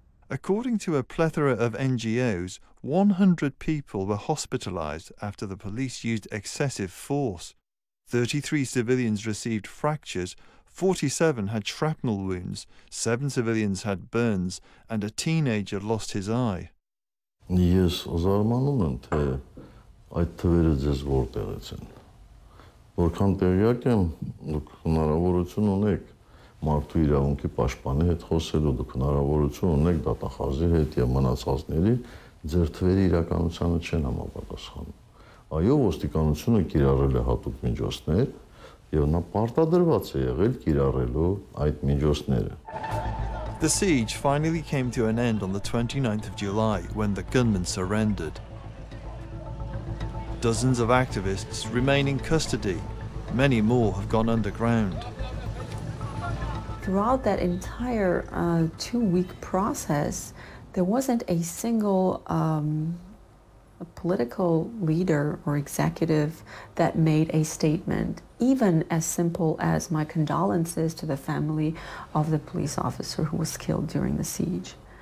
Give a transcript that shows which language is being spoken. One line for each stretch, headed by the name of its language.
English: According to a plethora of NGOs, 100 people were hospitalized after the police used excessive force. 33 civilians received fractures, 47 had shrapnel wounds, 7 civilians had burns, and a teenager lost his eye.
Armenian: Yes, զարմանում եմ, թե այդ թվերը ձեզ որտեղ են։ Որքան տեղյակ եմ, դուք հնարավորություն ունեք մարդու իրավունքի պաշտպանի հետ խոսելու, դուք հնարավորություն ունեք դատախազի հետ եւ մնացածների, ձեր թվերը իրականությանը չեն համապատասխանում։ Այո, ոստիկանությունը կիրառել է հատուկ միջոցներ, եւ նա պարտադրված է եղել կիրառելու այդ միջոցները։
English: The siege finally came to an end on the 29th of July when the gunmen surrendered. Dozens of activists remain in custody. Many more have gone underground. Throughout that entire two-week process, there wasn't a single political leader or executive that made a statement, even as simple as my condolences to the family of the police officer who was killed during the siege.